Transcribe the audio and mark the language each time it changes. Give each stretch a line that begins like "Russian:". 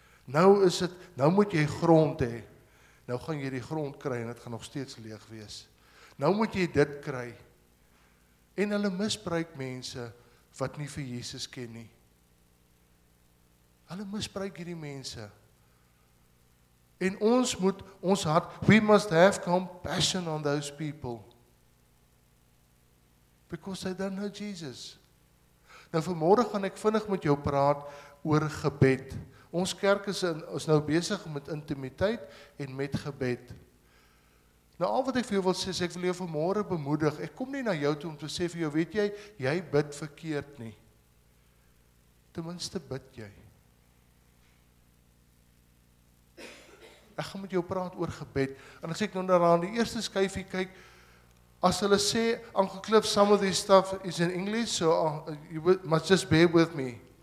Afrikaans: Nou is dit, nou moet jy grond hê, nou gaan jy die grond kry en dit gaan nog steeds leeg wees. Nou moet jy dit kry, en hulle misbruik mense wat nie vir Jesus ken nie. Hulle misbruik hierdie mense. En ons moet ons hart,
English: we must have compassion on those people. Because they don't know Jesus.
Afrikaans: Nou vanmôre gaan ek vinnig met jou praat oor gebed. Ons kerk is nou besig met intimiteit en met gebed. Nou al wat ek vir jou wil sê, ek wil jou vanmôre bemoedig. Ek kom nie na jou toe om te sê vir jou, weet jy, jy bid verkeerd nie. Ten minste bid jy. Ek gaan met jou praat oor gebed. En as ek nou daaraan die eerste skyfie kyk, as hulle sê, Uncle Cliff,
English: some of this stuff is in English, so you must just bear with me.